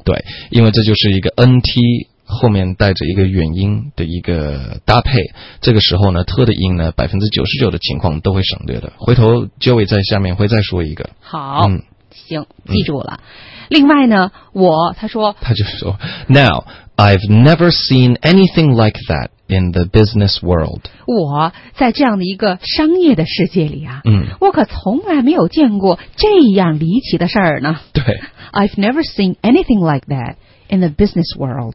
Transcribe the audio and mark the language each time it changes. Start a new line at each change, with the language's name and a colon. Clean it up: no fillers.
Chinese: 对，因为这就是一个 NT 后面带着一个元音的一个搭配，这个时候呢特的音呢 99% 的情况都会省略的，回头 Joey 在下面会再说一个。好，行，记住了。另外呢，我他就说
English: Now I've never seen anything like that in the business world，
Chinese: 我在这样的一个商业的世界里啊，我可从来没有见过这样离奇的事儿呢。对，
English: I've never seen anything like that in the business world.